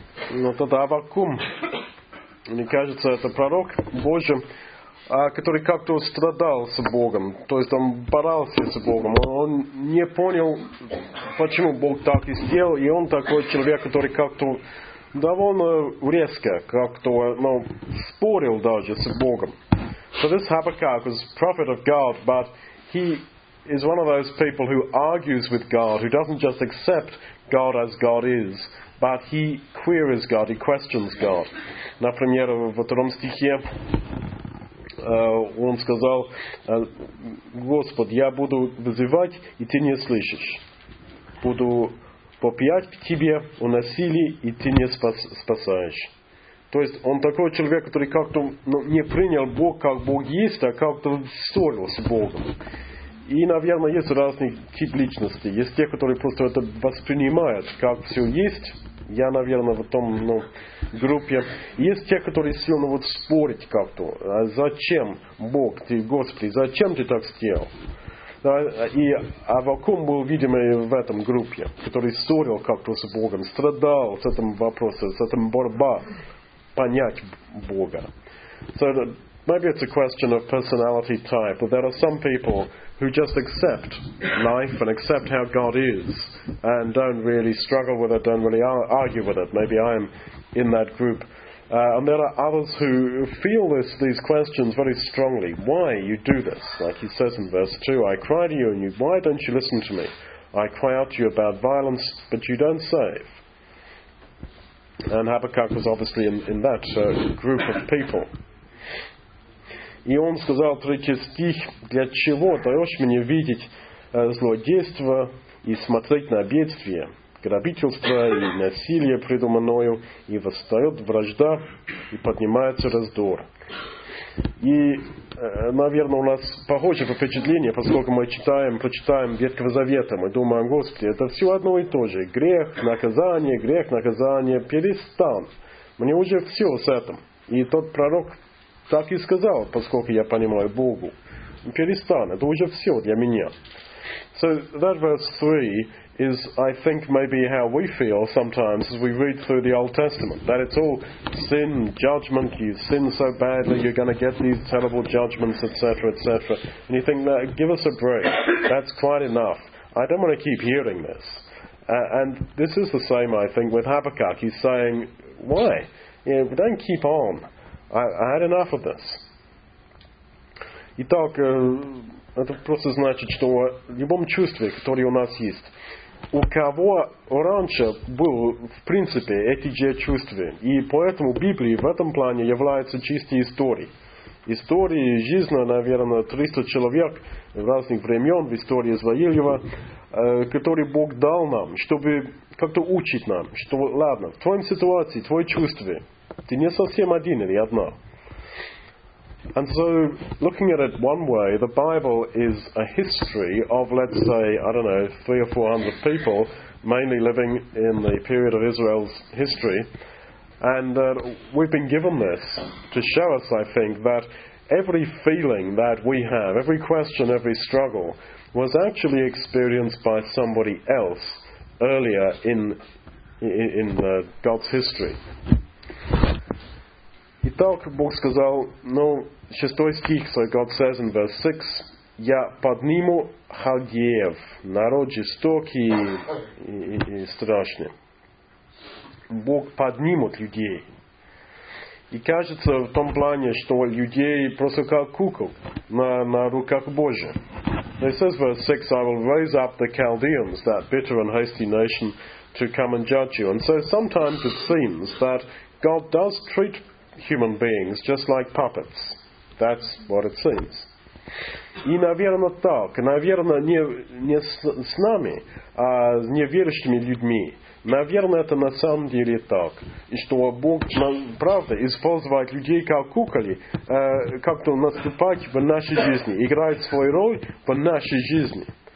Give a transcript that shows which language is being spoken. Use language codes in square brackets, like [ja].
[ru] Но тот Аввакум, мне кажется, это пророк Божий, который как-то страдал с Богом. То есть он боролся с Богом. Он не понял, почему Бог так и сделал. И он такой человек, который как-то довольно резко как-то, ну, спорил даже с Богом. [en] So this Habakkuk was a prophet of God, but he is one of those people who argues with God, who doesn't just accept God as God is, but he queries God, he questions God. [ru] Например, в втором стихе он сказал, Господь, я буду вызывать, и ты не слышишь. Буду попиять к тебе, уносили, и ты не спасаешь. То есть он такой человек, который как-то не принял Бог, как Бог есть, а как-то ссорил с Богом. И, наверное, есть разные типы личности. Есть те, которые просто это воспринимают, как все есть. Я, наверное, в том группе. И есть те, которые сильно вот спорить как-то. А зачем Бог, ты, Господи, зачем ты так сделал? Да, и Аввакум был, видимо, в этом группе, который ссорил как-то с Богом, страдал с этим вопросом, с этим борьба понять Бога. [en] So maybe it's a question of personality type, but there are some people who just accept life and accept how God is and don't really struggle with it, don't really argue with it. Maybe I am in that group. And there are others who feel these questions very strongly. Why you do this? Like he says in verse 2, I cry to you and you, why don't you listen to me? I cry out to you about violence, but you don't save. And Habakkuk was obviously in that group of people. [ru] И он сказал третий стих, для чего даешь мне видеть злодейство и смотреть на бедствие? Грабительство и насилие придуманное, и восстает вражда, и поднимается раздор. И, наверное, у нас похожее впечатление, поскольку мы прочитаем Ветхого Завета, мы думаем, Господи, это все одно и то же. Грех, наказание, перестань. Мне уже все с этим. И тот пророк так и сказал, поскольку я понимаю Богу. Перестань, это уже все для меня. [en] So that verse 3 is, I think, maybe how we feel sometimes as we read through the Old Testament, that it's all sin, judgment, you sin so badly, you're going to get these terrible judgments, etc., etc. And you think, give us a break, that's quite enough. I don't want to keep hearing this. And this is the same, I think, with Habakkuk. He's saying, why? You know, don't keep on. I had enough of this. [ru] Итак, это просто значит, что в любом чувстве, которое у нас есть, у кого раньше были, в принципе, эти же чувства. И поэтому Библия в этом плане является чистой историей. Историей жизни, наверное, 300 человек разных времен в истории Израилева, которые Бог дал нам, чтобы как-то учить нам, что, ладно, в твоем ситуации, в твоем чувстве, ты не совсем один или одна. [en] And so, looking at it one way, the Bible is a history of, let's say, I don't know, 300 or 400 people, mainly living in the period of Israel's history. And we've been given this to show us, I think, that every feeling that we have, every question, every struggle, was actually experienced by somebody else earlier in God's history. [ru] Итак, Бог сказал, шестой стих, [en] so God says in verse 6, [ru] «Я подниму халдеев, народ жестокий и страшный». Бог поднимет людей. И кажется в том плане, что людей просто как кукол на руках Божьи. [en] He says verse 6, «I will raise up the Chaldeans, that bitter and hasty nation, to come and judge you». And so sometimes it seems that God does treat human beings just like puppets. That's what it seems. [ru] И, наверное, так. Наверное, не с нами, а с неверующими людьми. Наверное, это на самом деле так. И что Бог, правда, использует людей как куколи, как-то наступать в нашей жизни, играет свою роль в нашей жизни.